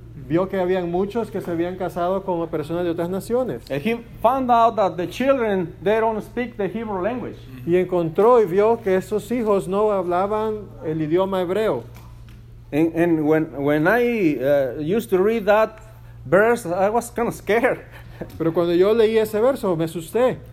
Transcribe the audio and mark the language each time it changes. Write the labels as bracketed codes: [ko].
[es] Vio que habían muchos que se habían casado con personas de otras naciones. [en] And he found out that the children, they don't speak the Hebrew language. [es] Y encontró y vio que esos hijos no hablaban el idioma hebreo. [en] And when I used to read that verse, I was kind of scared. [es] Pero cuando yo leí ese verso, me asusté.